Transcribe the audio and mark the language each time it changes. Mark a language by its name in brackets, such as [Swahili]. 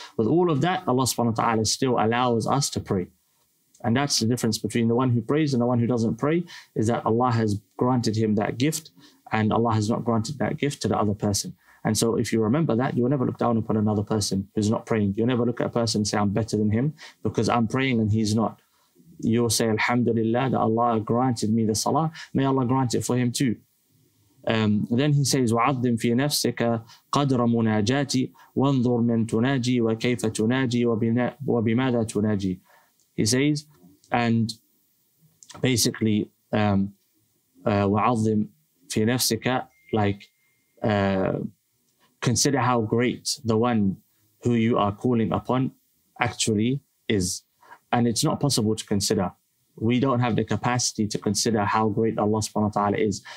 [English] With all of that, Allah subhanahu wa ta'ala still allows us to pray. And that's the difference between the one who prays and the one who doesn't pray, is that Allah has granted him that gift and Allah has not granted that gift to the other person. And so if you remember that, you will never look down upon another person who's not praying. You'll never look at a person and say, I'm better than him because I'm praying and he's not. You'll say, Alhamdulillah, that Allah granted me the salah. May Allah grant it for him too. Then he says, [Arabic] وَعَظِّمْ فِي نَفْسِكَ قَدْرَ مُنَاجَاتِ وَانْظُرْ مِنْ تُنَاجِي وَكَيْفَ تُنَاجِي وَبِمَاذَا تُنَاجِي. [English] He says, and basically, [Arabic] وَعَظِّمْ فِي نَفْسِكَ, [English] like, consider how great the one who you are calling upon actually is. And it's not possible to consider. We don't have the capacity to consider how great Allah subhanahu wa ta'ala is.